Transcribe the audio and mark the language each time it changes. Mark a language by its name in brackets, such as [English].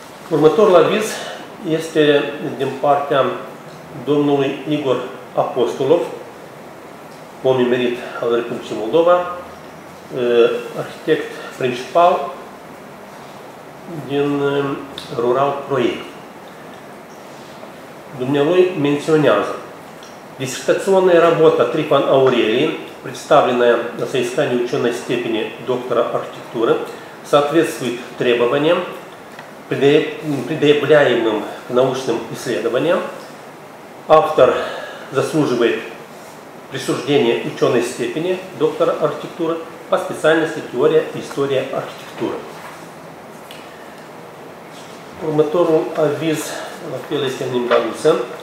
[Romanian] Următorul aviz este din partea domnului Igor Apostolov, om emerit al Republicii Moldova, arhitect principal din Rural Proiect. Dumnealui menționează [Russian] disertaționная работа Трифан Аурелии, представленная на соискании ученой степени доктора архитектуры, соответствует требованиям, предъявляемым к научным исследованиям. Автор заслуживает присуждения ученой степени доктора архитектуры по специальности теория и история архитектуры. [Romanian] Următорul aviz la fel este în limba rusă.